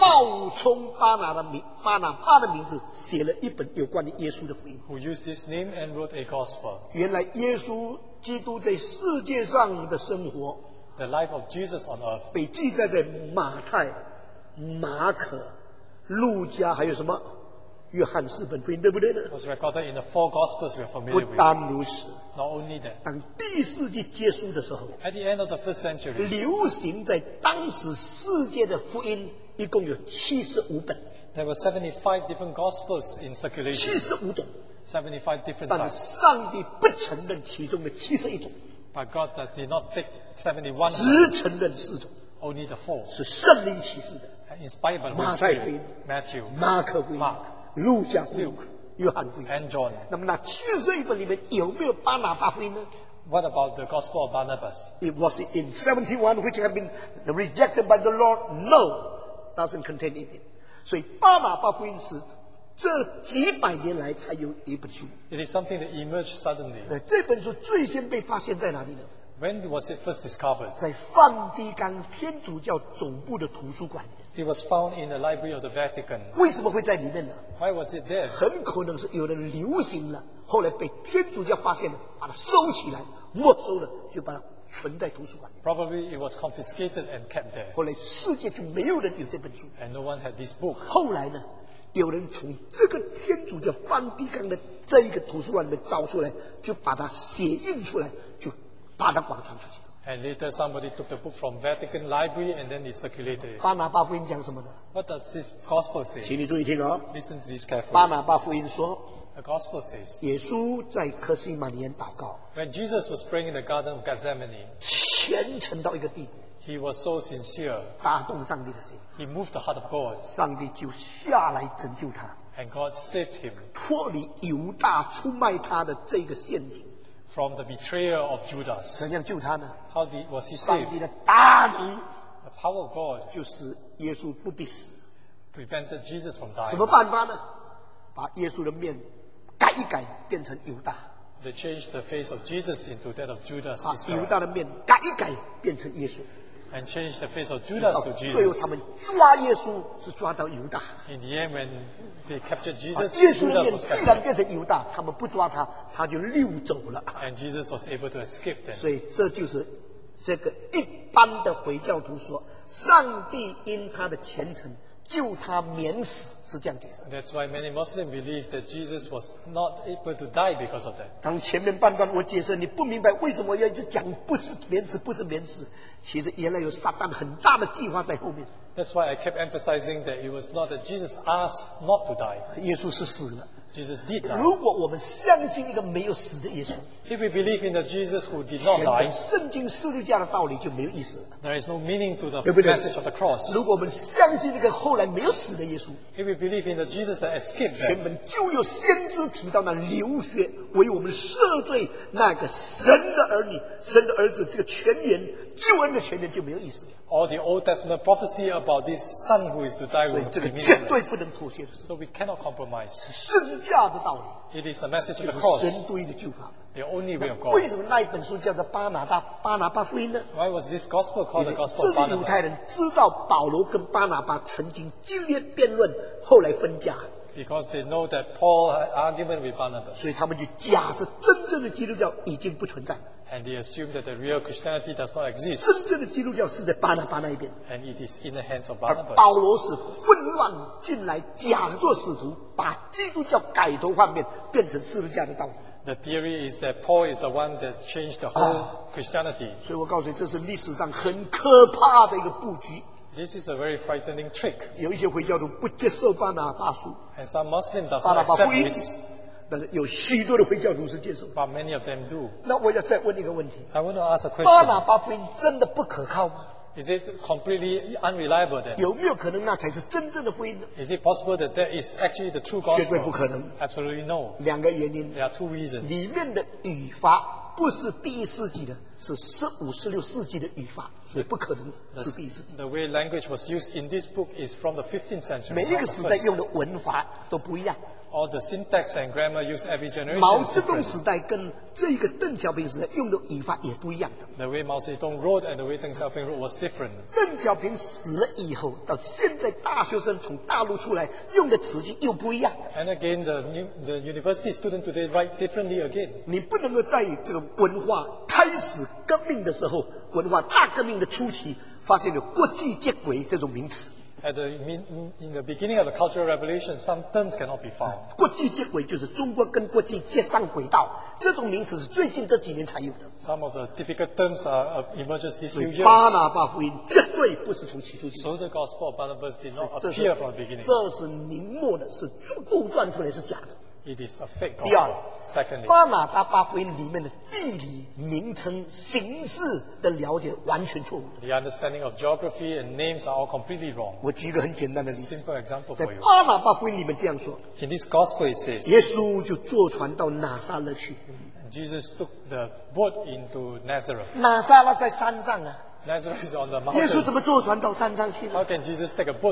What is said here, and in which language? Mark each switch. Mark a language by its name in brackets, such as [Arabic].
[Chinese] 冒充巴拿巴的名字写了一本有关于耶稣的福音 [English] who used this name and wrote a gospel. [Chinese] 原来耶稣基督在世界上的生活 [English] the life of Jesus on earth, [Chinese] 被记载在马太马可路加还有什么约翰四本福音，对不对呢？ [English] Was recorded in the four gospels we are familiar with. [Chinese] 不单如此， [English] not only that. [Chinese] 当第四纪结束的时候， [English] at the end of the first century, [Chinese] 流行在当时世界的福音一共有75本。 [English] There were 75 different gospels in circulation. [Chinese] 75种。 [English] 75 different. [Chinese] 但上帝不承认其中的71种。 [English] But God did not pick 71. [Chinese] 只承认四种。 [English] Only the four. [Chinese] 是圣灵启示的。 [English] Inspired by the Holy Spirit, Matthew, Mark, Mark, Luke, Luke, John, and John. [Chinese] 那么那七十一本里面有没有巴拿巴福音呢？ [English] What about the Gospel of Barnabas? It was in 71 which had been rejected by the Lord. No, doesn't contain it. [Chinese] 所以巴拿巴福音是这几百年来才有一本书。 [English] It is something that emerged suddenly. [Chinese] 这本书最先被发现在哪里呢？ [English] When was it first discovered? [Chinese] 在梵蒂冈天主教总部的图书馆。 [English] It was found in the library of the Vatican. [Chinese] 为什么会在里面呢？ [English] Why was it there? [Chinese] 很可能是有人流行了，后来被天主教发现了，把它收起来，没收了，就把它存在图书馆。 [English] Probably it was confiscated and kept there. [Chinese] 后来世界就没有人有这本书。 [English] And no one had this book. [Chinese] 后来呢，有人从这个天主教梵蒂冈的这一个图书馆里面找出来，就把它写印出来，就把它广传出去。 [English] And later somebody took the book from Vatican Library and then it circulated. [Chinese] 巴拿巴福音讲什么呢？ [English] What does this gospel say? [Chinese] 请你注意听哦。 [English] Listen to this carefully. [Chinese] 巴拿巴福音说， [English] The gospel says, [Chinese] 耶稣在克西马尼园祷告， [English] When Jesus was praying in the Garden of Gethsemane, [Chinese] 虔诚到一个地步， [English] He was so sincere, [Chinese] 打动上帝的心， [English] He moved the heart of God, [Chinese] 上帝就下来拯救他， [English] And God saved him, [Chinese] 脱离犹大出卖他的这个陷阱。 [English] From the betrayer of Judas. [Chinese] 怎样救他呢？ [English] How was he saved? [Chinese] 上帝的大能， [English] the power of God, [Chinese] 就是耶稣不必死， [English] prevented Jesus from dying. [Chinese] 什么办法呢？把耶稣的面改一改，变成犹大。 [English] They changed the face of Jesus into that of Judas. [Chinese] 把犹大的面改一改，变成耶稣。 [English] And changed the face of Judas to Jesus. [Chinese] 最后他们抓耶稣是抓到犹大。 [English] In the end, when they captured Jesus, [Chinese] 耶稣的面既然变成犹大，他们不抓他，他就溜走了。 [English] And Jesus was able to escape them. [Chinese] 所以这就是这个一般的回教徒说，上帝因他的虔诚救他免死，是这样解释。 [English] That's why many Muslims believe that Jesus was not able to die because of that. [Chinese] 当前面半段我解释你不明白为什么要一直讲不是免死不是免死，其实原来有撒旦很大的计划在后面。 [English] That's why I kept emphasizing that it was not that Jesus asked not to die. [Chinese] 耶稣是死了。 [English] Jesus did die. [Chinese] 如果我们相信一个没有死的耶稣， [English] if we believe in the Jesus who did not die, [Chinese] 全本圣经十字架的道理就没有意思了。 [English] There is no meaning to the [Chinese] 对不对？ [English] message of the cross. [Chinese] 如果我们相信那个后来没有死的耶稣， [English] if we believe in the Jesus that escaped, [Chinese] 全本就有先知提到那流血为我们赦罪那个神的儿女，神的儿子这个全言救恩的全言就没有意思了。 [English] Or the Old Testament prophecy about this son who is to die will be meaningless. So we cannot compromise. [Chinese] 十字架的道理， [English] it is the message of the cross. [Chinese] 神独一的救法， [English] the only way of God. [Chinese] 为什么那一本书叫做巴拿巴福音呢？ [English] Why was this gospel called the gospel of Barnabas? [Chinese] 这个犹太人知道保罗跟巴拿巴曾经激烈辩论，后来分家。 [English] Because they know that Paul had argument with Barnabas. [Chinese] 所以他们就假设真正的基督教已经不存在了。 [English] And they assume that the real Christianity does not exist. [Chinese] 真正的基督教是在巴拿巴那边。 [English] And it is in the hands of Barnabas. [Chinese] 而保罗是混乱进来，假作使徒，把基督教改头换面，变成十字架的道理。 [English] The theory is that Paul is the one that changed the whole Christianity. [Chinese] 所以我告诉你，这是历史上很可怕的一个布局。 [English] This is a very frightening trick. [Chinese] 有一些回教徒不接受巴拿巴书。 [English] And some Muslims does not accept this. [Chinese] 但是有许多的回教徒是接受。 [English] But many of them do. [Chinese] 那我要再问一个问题。 [English] I want to ask a question. [Chinese] 巴拿巴福音真的不可靠吗？ [English] Is it completely unreliable then? [Chinese] 有没有可能那才是真正的福音呢？ [English] Is it possible that that is actually the true gospel? [Chinese] 绝对不可能。 [English] Absolutely no. [Chinese] 两个原因。 [English] There are two reasons. [Chinese] 里面的语法不是第一世纪的，是十五、十六世纪的语法，所以不可能是第一世纪。 [English] The way language was used in this book is from the 15th century. [Chinese] 每一个时代用的文法都不一样。 [English] All the syntax and grammar used every generation. [Chinese] 毛泽东时代跟这个邓小平时代用的语法也不一样的。 [English] The way Mao Zedong wrote and the way Deng Xiaoping wrote was different. [Chinese] 邓小平死了以后，到现在大学生从大陆出来用的词句又不一样。 [English] And again, the university student today write differently again. [Chinese] 你不能够在这个文化开始革命的时候，文化大革命的初期，发现有国际接轨这种名词。 [English] in the beginning of the Cultural Revolution, some terms cannot be found. [Chinese] 国际接轨就是中国跟国际接上轨道，这种名词是最近这几年才有的。 [English] Some of the typical terms are emerges this new year. [Chinese] 巴拿巴福音绝对不是从起初起。 [English] So the Gospel of Barnabas did not appear from the beginning. [Chinese] 这是明末的，是杜撰出来是假的。 [English] It is a fake gospel. [Chinese] 第二，巴拿巴福音里面的地理名称、形式的了解完全错误。 [English] The understanding of geography and names are all completely wrong. [Chinese] 我举一个很简单的例子。 [English] Simple example for you. [Chinese] 在巴拿巴福音里面这样说。 [English] In this gospel it says. [Chinese] 耶稣就坐船到拿撒勒去。 [English] Jesus took the boat into Nazareth. [Chinese] 拿撒勒在山上啊。 [English] Nazareth is on the mountain. [Chinese] 耶稣怎么坐船到山上去呢？ [English] How can Jesus take a boat to